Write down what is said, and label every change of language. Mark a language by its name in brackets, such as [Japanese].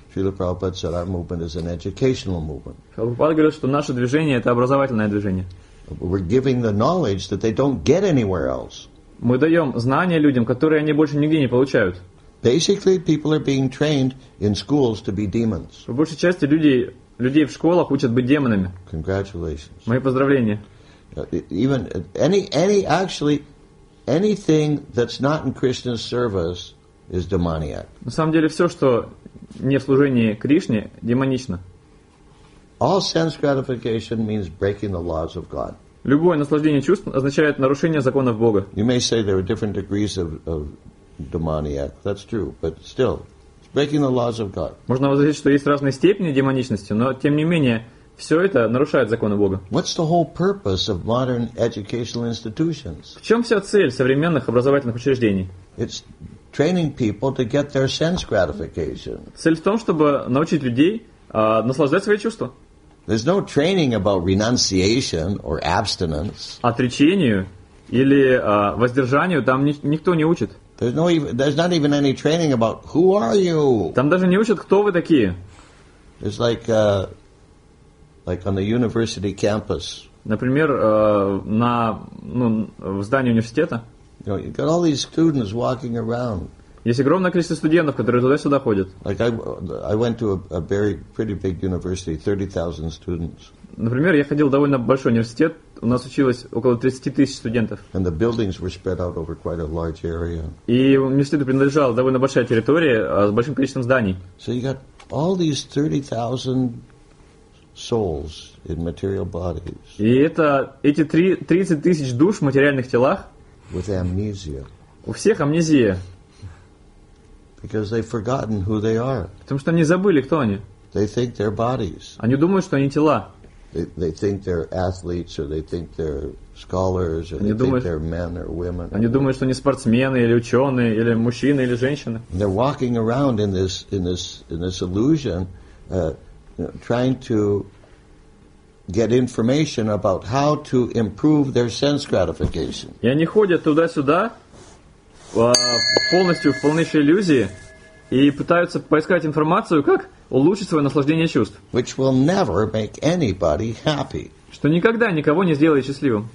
[English] Srila Prabhupada said our movement is an educational movement. [Russian] Прабхупада говорит, что наше движение это образовательное движение. [English] We're giving the knowledge that they don't get anywhere else. [Russian] Мы даем знания людям, которые они больше нигде не получают. [English] Basically, people are being trained in schools to be demons. [Russian] По большей части люди Людей в школах учат быть демонами. [English] Congratulations. [Russian] Мои поздравления. [English] Even any actually anything that's not in Krishna's service is demoniac. [Russian] На самом деле все, что не в служении Кришне, демонично. [English] All sense gratification means breaking the laws of God. [Russian] Любое наслаждение чувств означает нарушение законов Бога. [English] You may say there are different degrees of demoniac. That's true, but still, it's breaking the laws of God. [Russian] Можно возразить, что есть разные степени демоничности, но тем не менее все это нарушает законы Бога. [English] What's the whole purpose of modern educational institutions? [Russian] В чем вся цель современных образовательных учреждений? [English] It's training people to get their sense gratification. [Russian] Цель в том, чтобы научить людей наслаждать свои чувства. [English] There's no training about renunciation or abstinence. [Russian] Отречению или воздержанию там никто не учит. [English] There's not even any training about who are you. [Russian] Там даже не учат, кто вы такие. [English] It's like on the university campus. [Russian] Например, в здании университета. [English] You know, you've got all these students walking around. [Russian] Есть огромное количество студентов, которые туда-сюда ходят. [English] Like I went to a very pretty big university, 30,000 students. [Russian] Например, я ходил в довольно большой университет, у нас училось около 30 тысяч студентов. [English] And the buildings were spread out over quite a large area. [Russian] И университету принадлежала довольно большая территория с большим количеством зданий. [English] So you got all these 30,000 souls in material bodies. [Russian] И это эти 30 тысяч душ в материальных телах. [English] With amnesia. [Russian] У всех амнезия. [English] Because they've forgotten who they are. [Russian] Потому что они забыли, кто они. [English] They think they're bodies. [Russian] Они думают, что они тела. [English] They think they're athletes, or they think they're scholars, or they think they're men or women. [Russian] Они думают, что они спортсмены или ученые или мужчины или женщины. [English] They're walking around in this illusion, trying to get information about how to improve their sense gratification. [Russian] И они ходят туда-сюда. Полностью в полнейшей иллюзии и пытаются поискать информацию, как улучшить свое наслаждение чувств. [English] Which will never make anybody happy. [Russian] Что никогда никого не сделает счастливым.